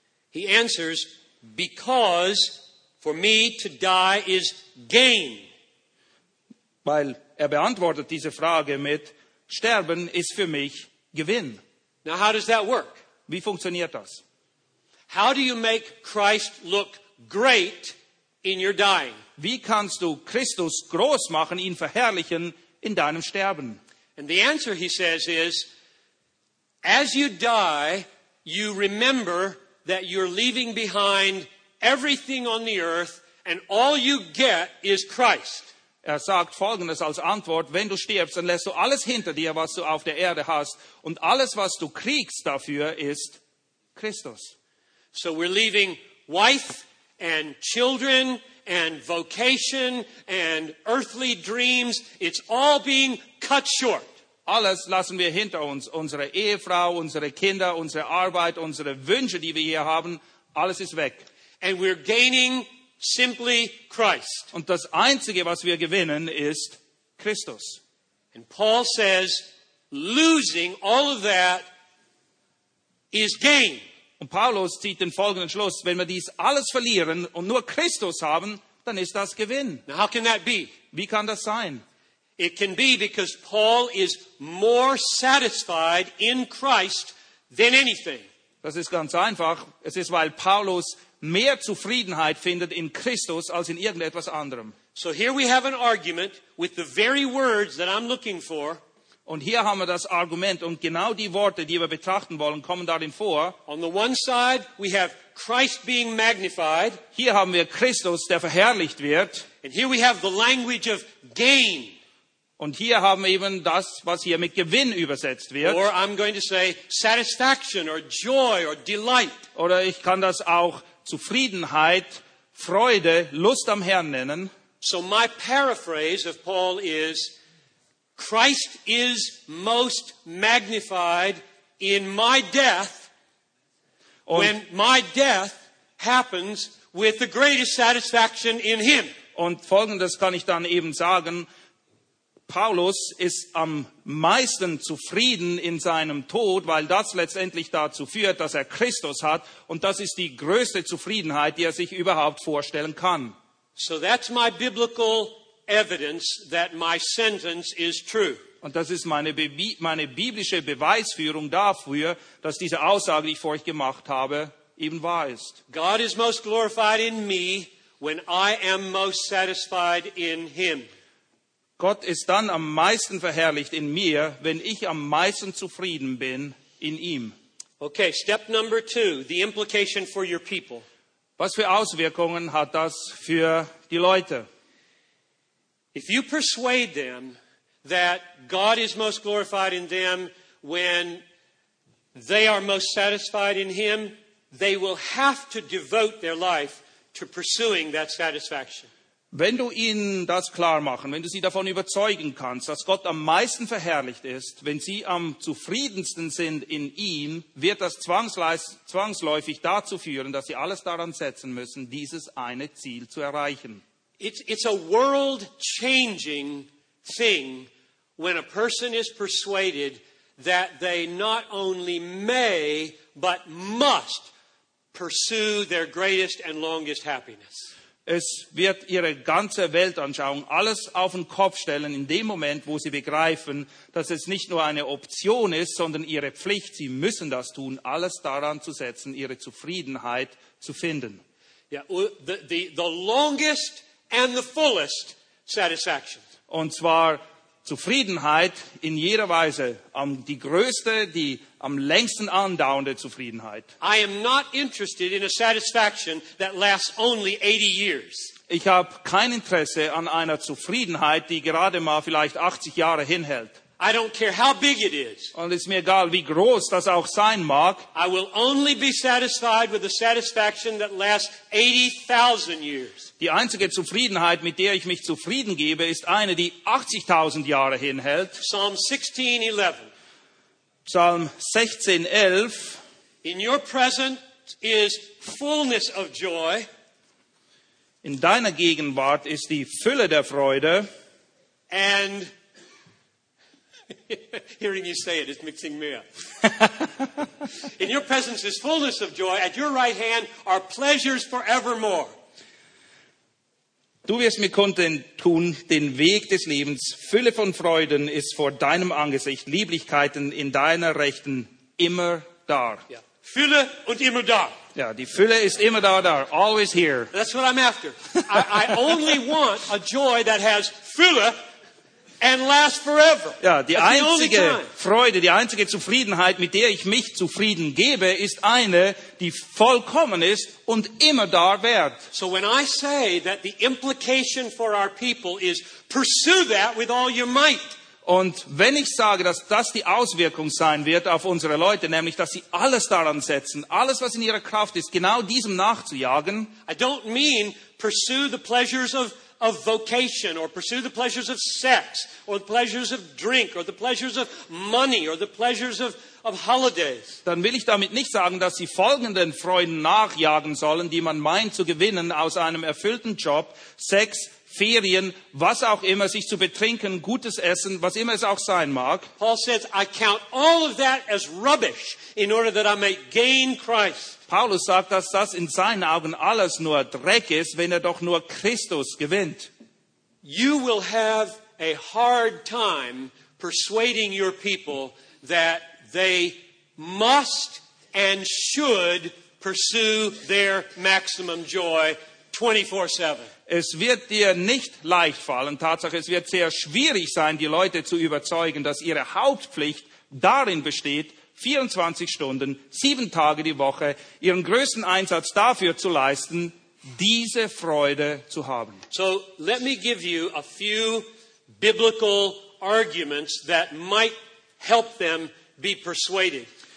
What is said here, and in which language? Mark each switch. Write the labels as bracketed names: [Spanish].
[English] He answers, because for me to die is gain. [German] Weil er beantwortet diese Frage mit, Sterben ist für mich Gewinn. [English] Now how does that work? [German] Wie funktioniert das? [English] How do you make Christ look great in your dying? [German] Wie kannst du Christus groß machen, ihn verherrlichen in deinem Sterben? [English] And the answer, he says, is, as you die, you remember that you're leaving behind everything on the earth, and all you get is Christ. [German] Er sagt Folgendes als Antwort: Wenn du stirbst, dann lässt du alles hinter dir, was du auf der Erde hast, und alles, was du kriegst dafür, ist Christus. [English] So we're leaving wife and children and vocation and earthly dreams. It's all being cut short. [German] Alles lassen wir hinter uns. Unsere Ehefrau, unsere Kinder, unsere Arbeit, unsere Wünsche, die wir hier haben, alles ist weg. [English] And we're gaining simply Christ. [German] Und das Einzige, was wir gewinnen, ist Christus. [English] And Paul says, losing all of that is gain. [German] Und Paulus zieht den folgenden Schluss: Wenn wir dies alles verlieren und nur Christus haben, dann ist das Gewinn. [English] Now how can that be? [German] Wie kann das sein? [English] It can be because Paul is more satisfied in Christ than anything. [German] Das ist ganz einfach. Es ist, weil Paulus mehr Zufriedenheit findet in Christus als in irgendetwas anderem. [English] So here we have an argument with the very words that I'm looking for. [German] Und hier haben wir das Argument, und genau die Worte, die wir betrachten wollen, kommen darin vor. [English] On the one side we have Christ being magnified. [German] Hier haben wir Christus, der verherrlicht wird. [English] And here we have the language of gain. [German] Und hier haben wir eben das, was hier mit Gewinn übersetzt wird. [English] Or I'm going to say satisfaction or joy or delight. [German] Oder ich kann das auch Zufriedenheit, Freude, Lust am Herrn nennen. [English] So my paraphrase of Paul is, Christ is most magnified in my death, when my death happens with the greatest satisfaction in him. [German] Und folgendes kann ich dann eben sagen: Paulus ist am meisten zufrieden in seinem Tod, weil das letztendlich dazu führt, dass er Christus hat, und das ist die größte Zufriedenheit, die er sich überhaupt vorstellen kann. [English] So that's my biblical evidence that my sentence is true. [German] Und das ist meine biblische Beweisführung dafür, dass diese Aussage, die ich vor euch gemacht habe, eben wahr ist. [English] God is most glorified in me when I am most satisfied in him. [German] Gott ist dann am meisten verherrlicht in mir, wenn ich am meisten zufrieden bin in ihm. [English] Okay, step number two, the implication for your people. [German] Was für Auswirkungen hat das für die Leute? [English] If you persuade them that God is most glorified in them when they are most satisfied in him, they will have to devote their life to pursuing that satisfaction. [German] Wenn du ihnen das klar machen, wenn du sie davon überzeugen kannst, dass Gott am meisten verherrlicht ist, wenn sie am zufriedensten sind in ihm, wird das zwangsläufig dazu führen, dass sie alles daran setzen müssen, dieses eine Ziel zu erreichen. [English] It's a world-changing thing when a person is persuaded that they not only may, but must pursue their greatest and longest happiness. [German] Es wird ihre ganze Weltanschauung alles auf den Kopf stellen in dem Moment, wo sie begreifen, dass es nicht nur eine Option ist, sondern ihre Pflicht, sie müssen das tun, alles daran zu setzen, ihre Zufriedenheit zu finden. [English] Yeah, the longest and the fullest satisfaction. [German] Und zwar Zufriedenheit in jeder Weise, die größte, die am längsten andauernde Zufriedenheit. [English] I am not interested in a satisfaction that lasts only 80 years. [German] Ich habe kein Interesse an einer Zufriedenheit, die gerade mal vielleicht 80 Jahre hinhält. [English] I don't care how big it is. [German] Und es ist mir egal, wie groß das auch sein mag. [English] I will only be satisfied with the satisfaction that lasts 80,000 years. [German] Die einzige Zufriedenheit, mit der ich mich zufrieden gebe, ist eine, die 80,000 Jahre hinhält. [English] Psalm 16:11. In your presence is fullness of joy. [German] In deiner Gegenwart ist die Fülle der Freude. [English] And hearing you say it is mixing me up. In your presence is fullness of joy. At your right hand are pleasures forevermore. [German] Du wirst mir kundtun, den Weg des Lebens. Fülle von Freuden ist vor deinem Angesicht. Lieblichkeiten in deiner Rechten immer da. [English] Yeah. [German] Fülle und immer da. Ja, die Fülle ist immer da, da. [English] Always here. That's what I'm after. I only want a joy that has Fülle. And last forever. [German] Ja, die einzige Freude, die einzige Zufriedenheit, mit der ich mich zufrieden gebe, ist eine, die vollkommen ist und immer da währt. [English] So when I say that the implication for our people is pursue that with all your might. [German] Und wenn ich sage, dass das die Auswirkung sein wird auf unsere Leute, nämlich dass sie alles daran setzen, alles was in ihrer Kraft ist, genau diesem nachzujagen. [English] I don't mean pursue the pleasures of vocation or pursue the pleasures of sex or the pleasures of drink or the pleasures of money or the pleasures of holidays. [German] Dann will ich damit nicht sagen, dass sie folgenden Freuden nachjagen sollen, die man meint zu gewinnen aus einem erfüllten Job, Sex, Ferien, was auch immer, sich zu betrinken, gutes Essen, was immer es auch sein mag. [English] Paul says, I count all of that as rubbish in order that I may gain Christ. [German] Paulus sagt, dass das in seinen Augen alles nur Dreck ist, wenn er doch nur Christus gewinnt. [English] You will have a hard time persuading your people that they must and should pursue their maximum joy 24/7. [German] Es wird dir nicht leicht fallen. Tatsache, es wird sehr schwierig sein, die Leute zu überzeugen, dass ihre Hauptpflicht darin besteht, 24 Stunden, 7 Tage die Woche, ihren größten Einsatz dafür zu leisten, diese Freude zu haben. [English] So, let me give you a few biblical arguments that might help them be persuaded.